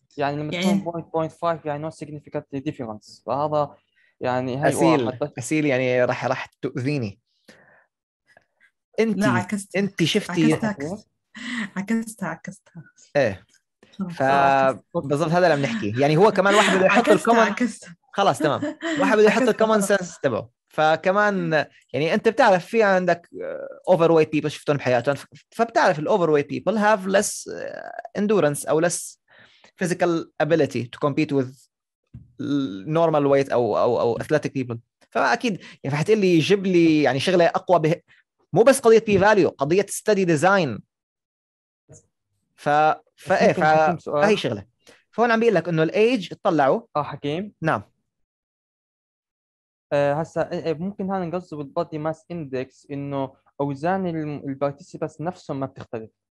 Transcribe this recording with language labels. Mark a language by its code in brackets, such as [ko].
[ar] يعني لما تكون 0.5 يعني [en] no significant difference، [ar] فهذا يعني هاي أسيل واحد. أسيل يعني راح تؤذيني. انت شفتي عكستها ايه. فبالضبط هذا اللي بنحكي، يعني هو كمان واحد بده يحط الكومن خلاص تمام، واحد بده يحط الكومن سنس تبعه. فكمان يعني انت بتعرف في عندك [en] overweight people [ar] شفتهم بحياتهم، فبتعرف [en] overweight people have less endurance [ar] او [en] less physical ability to compete with normal weight [ar] او او او [en] athletic people. [ar] فاكيد يعني حتقول لي جيب لي يعني شغله اقوى به، مو بس قضيه بي فاليو، قضيه [en] study design. [ar] فهي شغله. فهون عم بيقول لك انه الايج اطلعوا حكيم نعم هسا ممكن هذا نقصد بالبادي ماس اندكس، انه اوزان البارتيسيبس نفسهم ما بتختلف.